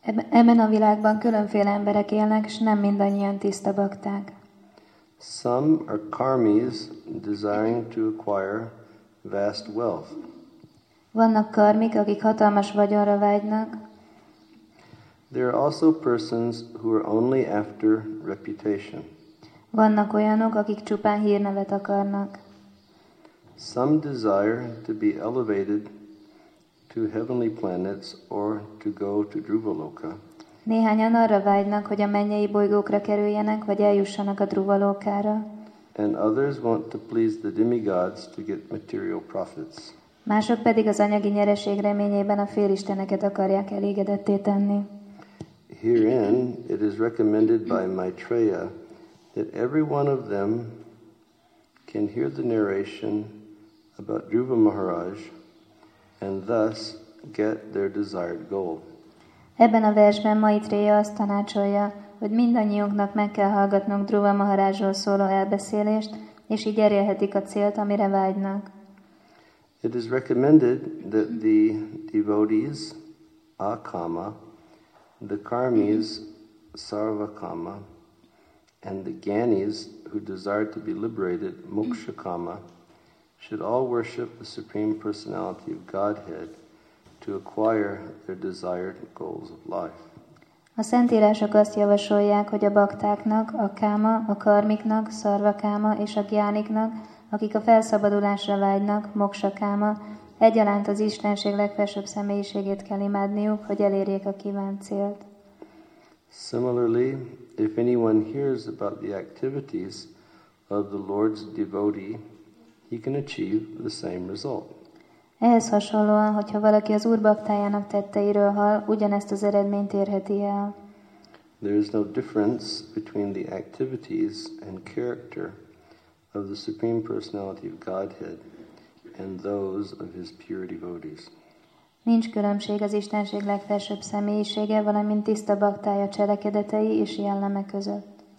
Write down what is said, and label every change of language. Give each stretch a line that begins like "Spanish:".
Hungarian: Ebben a világban különféle emberek élnek, és nem mindannyian tiszta bakták.
English: Some are karmis desiring to acquire vast wealth.
Hungarian: Vannak karmik, akik hatalmas vagyonra vágynak.
English: There are also persons who are only after reputation.
Hungarian: Vannak olyanok, akik csupán hírnevet akarnak.
English: Some desire to be elevated to heavenly planets or to go to Dhruvaloka.
Hungarian: Néhányan arra vágynak, hogy a mennyei bolygókra kerüljenek, vagy eljussanak a Dhruvalokára.
English: And others want to please the demigods to get material profits.
Hungarian: Mások pedig az anyagi nyereség reményében a félisteneket akarják elégedetté tenni.
English: Herein it is recommended by Maitreya that every one of them can hear the narration about Dhruva Maharaj and thus get their desired goal.
Hungarian: Ebben a versben Maitreya azt tanácsolja, hogy mindannyiunknak meg kell hallgatnunk Dhruva Maharajról szóló elbeszélést, és így elérhetik a célt, amire vágynak.
English: It is recommended that the devotees, akama, the karmis, sarvakama, and the gyanis who desire to be liberated, mokshakama, should all worship the Supreme Personality of Godhead to acquire their desired goals of life.
Hungarian: A szentírások azt javasolják, hogy a baktáknak, a káma, a karmiknak, szarvakáma és a gyániknak, akik a felszabadulásra vágynak, moksakáma, egyaránt az Istenség legfelsőbb személyiségét kell imádniuk, hogy elérjék a kívánt célt.
English: Similarly, if anyone hears about the activities of the Lord's devotee, he can achieve the same result.
Hungarian: Ehhez hasonlóan, hogyha valaki az Úr baktájának tetteiről hall, ugyanezt az eredményt érheti el.
English: There is no difference between the activities and character of the Supreme Personality of Godhead and those of his pure devotees.
Hungarian: Nincs különbség az Istenség legfelsőbb személyisége, valamint tiszta baktája cselekedetei és jelleme között.